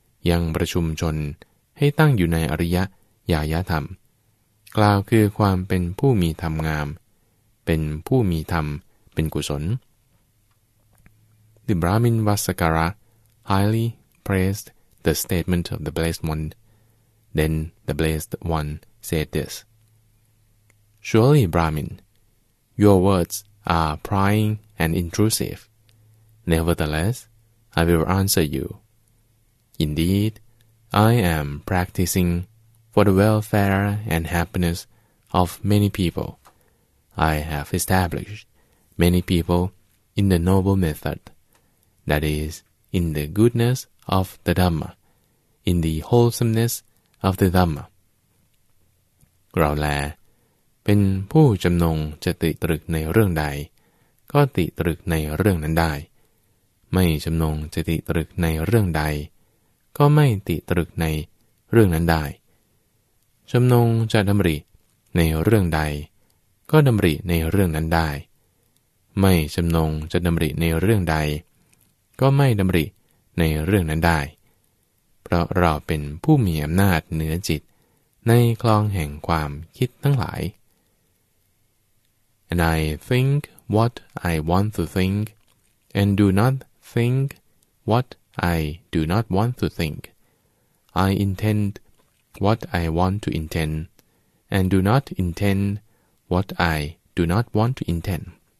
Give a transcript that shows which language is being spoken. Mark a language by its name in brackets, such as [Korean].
[Thai] ยังประชุมชนให้ตั้งอยู่ในอริยญาณธรรมกล่าวคือความเป็นผู้มีธรรมงามเป็นผู้มีธรรมเป็นกุศล [English] The Brahmin Vasakara highly praised the statement of the Blessed OneThen the Blessed One said this, Surely, Brahmin, your words are prying and intrusive. Nevertheless, I will answer you. Indeed, I am practicing for the welfare and happiness of many people. I have established many people in the noble method, that is, in the goodness of the Dhamma, in the wholesomenessof the Dhamma. [Thai] เราแลเป็นผู้จำนงจะติตรึกในเรื่องใดก็ติตรึกในเรื่องนั้นได้ไม่จำนงจะติตรึกในเรื่องใดก็ไม่ติตรึกในเรื่องนั้นไ จำนงจะดำริในเรื่องใดก็ดำริในเรื่องนั้นได้ไม่จำนงจะดำริในเรื่องใดก็ไม่ดำริในเรื่องนั้นได้เพราะเราเป็นผู้มีอำนาจเหนือจิตในคลองแห่งความคิดทั้งหลาย [English] And I think what I want to think and do not think what I do not want to think. I intend what I want to intend and do not intend what I do not want to intend.